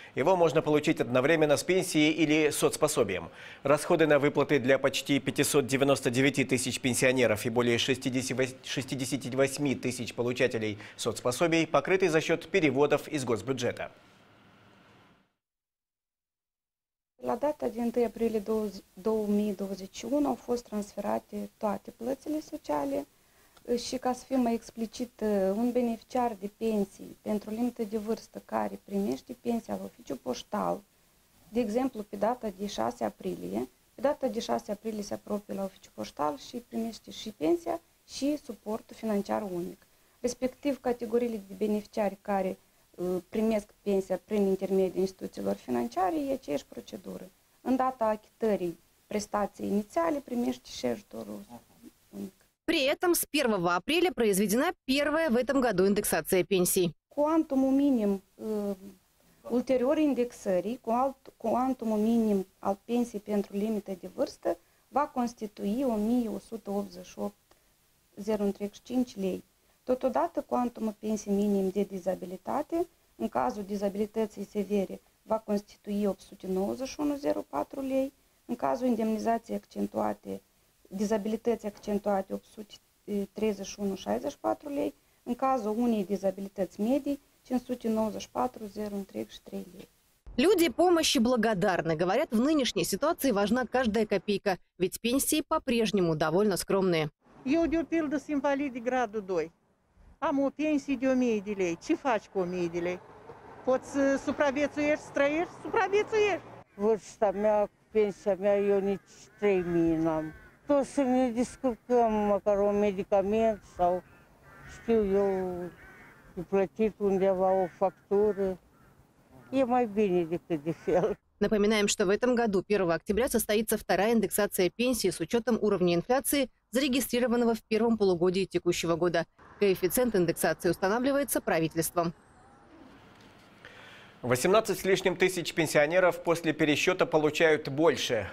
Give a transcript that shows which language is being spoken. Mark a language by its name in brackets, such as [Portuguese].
[Russian] Его можно получить одновременно с пенсией или соцпособием. Расходы на выплаты для почти 599 тысяч пенсионеров и более 68 тысяч получателей соцпособий покрыты за счет переводов из госбюджета. [Romanian] La data din 1 aprilie 2021 au fost transferate toate plățile sociale și ca să fie mai explicit, un beneficiar de pensii pentru limită de vârstă care primește pensia la oficiu poștal, de exemplu, pe data de 6 aprilie, pe data de 6 aprilie se apropie la oficiu poștal și primește și pensia și suportul financiar unic. Respectiv, categoriile de beneficiari care primesc pensia prin intermediul instituțiilor financiare, e aceeași procedură. În data achitării prestației inițiale, primești și ajutorul. [Russian] При этом с 1 апреля произведена первая в этом году индексация пенсий. [Romanian] Quantumul minim ulterior indexării, quantumul minim al pensiei pentru limită de vârstă, va constitui 1188,035 lei. Totodată, quantumul pensiei minim de dizabilitate, în cazul dizabilității severe, va constitui 891,04 lei, în cazul indemnizației accentuate, dizabilității accentuate, 831,64 lei, în cazul unei dizabilități medii, 594,03 lei. [Russian] Люди помощи благодарны. Говорят, в нынешней ситуации важна каждая копейка, ведь пенсии по-прежнему довольно скромные. [Romanian] Eu de pildă sunt invalid de gradul 2. Am o pensie de 1000 de lei. Ce faci cu 1000 de lei? Poți supraviețuiești, trăiești, supraviețuiești. Vârsta mea, pensia mea, eu nici 3000 n-am. Tot să ne descurcăm, măcar un medicament sau, știu eu, de plătit undeva o factură. E mai bine decât de fel. [Russian] Напоминаем, что в этом году, 1 октября, состоится вторая индексация пенсии с учетом уровня инфляции, зарегистрированного в первом полугодии текущего года. Коэффициент индексации устанавливается правительством. 18 с лишним тысяч пенсионеров после пересчета получают больше.